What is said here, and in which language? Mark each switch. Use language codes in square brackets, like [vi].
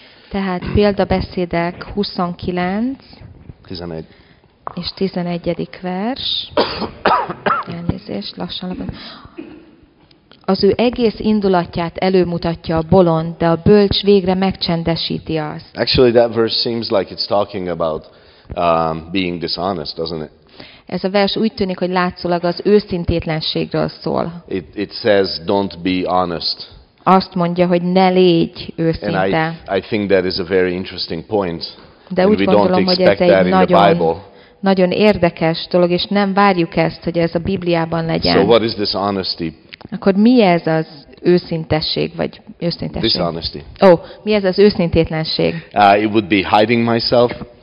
[hu] Tehát példabeszédek 29. 11. És 11. vers. Elnézést, lassan lapot. Az ő egész indulatját előmutatja a bolond, de a bölcs végre megcsendesíti azt. [en] Actually, that verse seems like it's talking about being dishonest, doesn't it? [hu] Ez a vers úgy tűnik, hogy látszólag az őszintétlenségről szól. [en] It says, don't be honest. [hu] Azt mondja, hogy ne légy őszinte. [en] And I think that is a very interesting point. [hu] De [en] and [hu] úgy gondolom, hogy ez egy nagyon érdekes dolog, és nem várjuk ezt, hogy ez a Bibliában legyen. [en] So what is this honesty? [hu] Akkor mi ez az őszintesség, vagy őszintesség? [en] Dishonesty. [hu] Oh, mi ez az őszintétlenség? [en] It would be hiding myself.